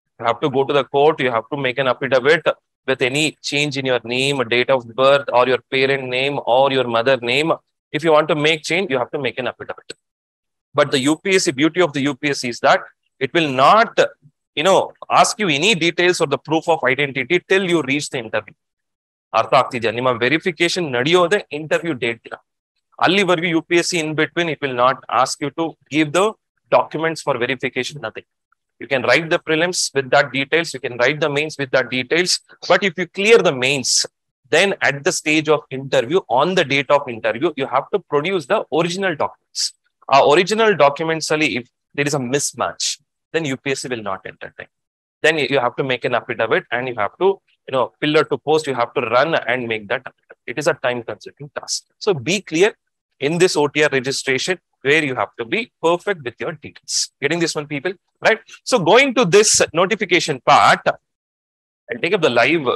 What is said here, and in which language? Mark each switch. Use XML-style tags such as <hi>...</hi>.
<en>You have to go to the court, you have to make an affidavit with any change in your name, date of birth, or your parent name, or your mother name. If you want to make change, you have to make an affidavit. But the UPSC, beauty of the UPSC is that it will not, you know, ask you any details or the proof of identity till you reach the interview.</en> <kn>ಅರ್ಥ ಆಗ್ತಿದೆಯಾ? ನಿಮ್ಮ verification ನಡೆಯೋದೇ interview date ಇಲ್ಲ, ಅಲ್ಲಿವರೆಗೂ</kn> <en>U P S C in between it will not ask you to give the documents for verification, nothing. You can write the prelims with that details, you can write the mains with that details, but if you clear the mains then at the stage of interview on the date of interview you have to produce the original documents. ಆ original documents ಅಲ್ಲಿ if there is a mismatch then U P S C will not entertain. Then you have to make an affidavit and you have to you know, pillar to post, you have to run and make that. It is a time-consuming task. So be clear in this OTR registration where you have to be perfect with your details. Getting this one, people? Right? So going to this notification part, I'll take up the live.</en>